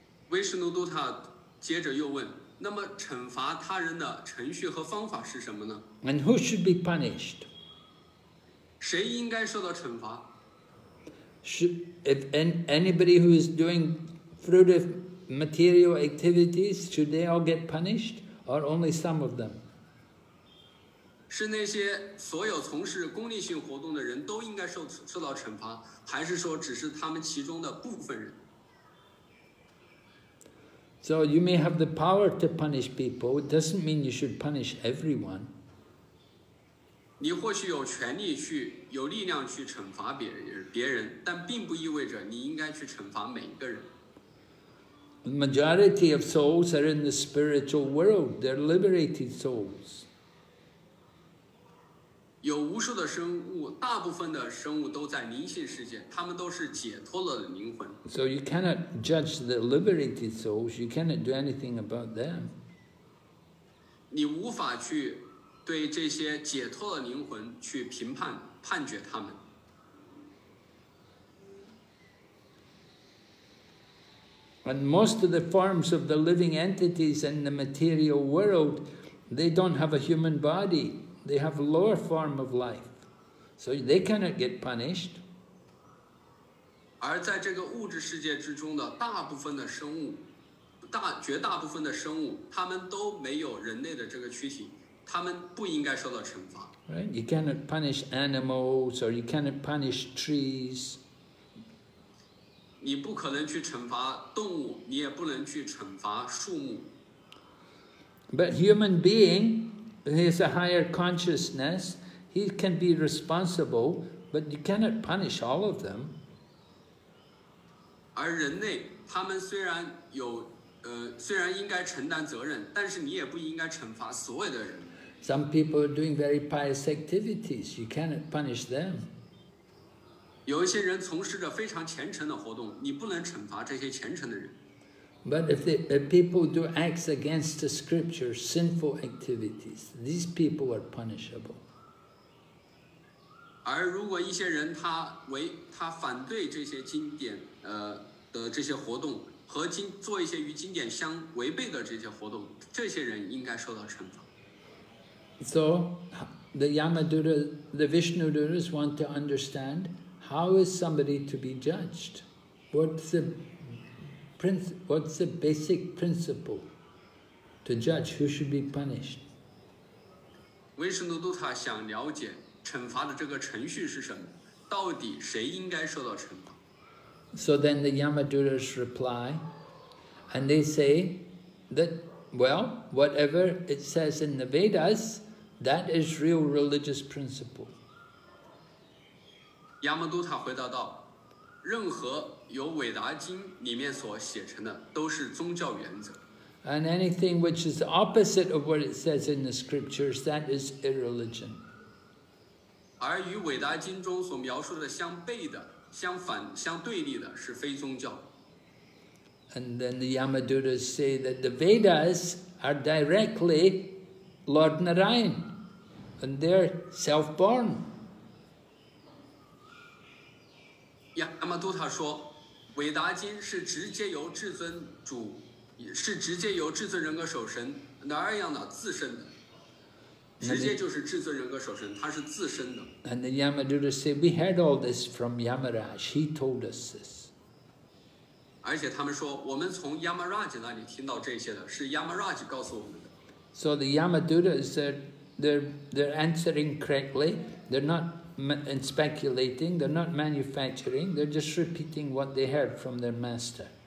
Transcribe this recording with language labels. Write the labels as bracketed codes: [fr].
[zh] Vishnu Dutta 接着又问，那么惩罚他人的程序和方法是什么呢？ [en] And who should be punished? [zh] 谁应该受到惩罚？ [en] If anybody who is doing fruitive material activities, should they all get punished? Or only some of them? [zh] 是那些所有从事功利性活动的人都应该受到惩罚，还是说只是他们其中的部分人？ [en] So you may have the power to punish people, it doesn't mean you should punish everyone. [zh] 你或许有权利去，有力量去惩罚别人，但并不意味着你应该去惩罚每一个人。 [en] The majority of souls are in the spiritual world. They're liberated souls. [zh] 有无数的生物，大部分的生物都在灵性世界，他们都是解脱了的灵魂。 [en] So you cannot judge the liberated souls. You cannot do anything about them. [zh] 你无法去对这些解脱的灵魂去评判、判决他们。 [en] And most of the forms of the living entities in the material world, they don't have a human body. They have a lower form of life. So they cannot get punished. [zh] 而在这个物质世界之中的大部分的生物，绝大部分的生物，他们都没有人类的这个躯体，他们不应该受到惩罚。 [en] Right? You cannot punish animals or you cannot punish trees. [zh] 你不可能去惩罚动物，你也不能去惩罚树木。 [en] But human being, he is a higher consciousness, he can be responsible, but you cannot punish all of them. [zh] 而人类，他们虽然应该承担责任，但是你也不应该惩罚所有的人。 [en] Some people are doing very pious activities, you cannot punish them. [zh] 有一些人从事着非常虔诚的活动，你不能惩罚这些虔诚的人。 [en] But if people do acts against the scripture, sinful activities, these people are punishable. [zh] 而如果一些人他反对这些经典的这些活动和做一些与经典相违背的这些活动，这些人应该受到惩罚。 [en] So the Yamadutta, the Vishnu Dutas want to understand. How is somebody to be judged? What's the basic principle to judge who should be punished? [zh] Vishnu Dutta 想了解惩罚的这个程序是什么，到底谁应该受到惩罚。 [en] So then the Yamadutas reply, and they say that, well, whatever it says in the Vedas, that is real religious principle. [zh] 亚摩都塔回答道：“任何由《伟达经》里面所写成的，都是宗教原则。 [en] And anything which is opposite of what it says in the scriptures, that is irreligion. [zh] 而与《伟达经》中所描述的相悖的、相反、相对立的，是非宗教。 [en] And then the Yamadutas say that the Vedas are directly Lord Narayan, and they're self-born.” [zh] 亚摩多塔说，伟达经是直接由至尊主，是直接由至尊人格守神那儿样的自身的，直接就是至尊人格守神，他是自身的。 [en] And the Yamadutta said, we heard all this from Yamaraj, he told us this. [zh] 而且他们说，我们从 Yamaraj 那里听到这些的，是 Yamaraj 告诉我们的。 [en] So the Yamadutta said, they're answering correctly, they're notand speculating, they're not manufacturing, they're just repeating what they heard from their master.